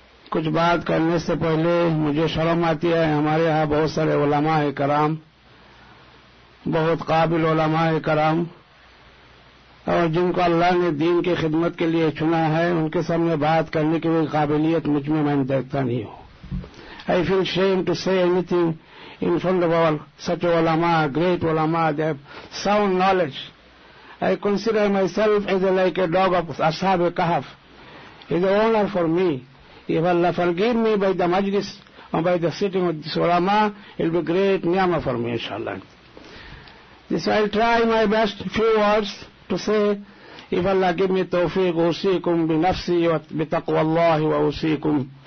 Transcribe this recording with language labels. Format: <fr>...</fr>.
<ur>کچھ بات کرنے سے پہلے مجھے شرم آتی ہے، ہمارے یہاں بہت سارے علماء کرام، بہت قابل علماء کرام، اور جن کو اللہ نے دین کی خدمت کے لیے چنا ہے، ان کے سامنے بات کرنے کی کوئی قابلیت مجھ میں دیکھتا نہیں ہوں.</ur> <en>I feel shame to see anything in front of all such علماء، great علماء، they have sound knowledge. I consider myself as a like a dog of اصحاب کہف، is a honour for me. If Allah forgive me by the majlis or by the sitting of this ulama, it will be great ni'mah for me, inshallah. This I'll try my best few words to say. If Allah give me tawfiq,</en> <ar>usikum bi nafsi wa bi taqwa Allah wa usikum.</ar>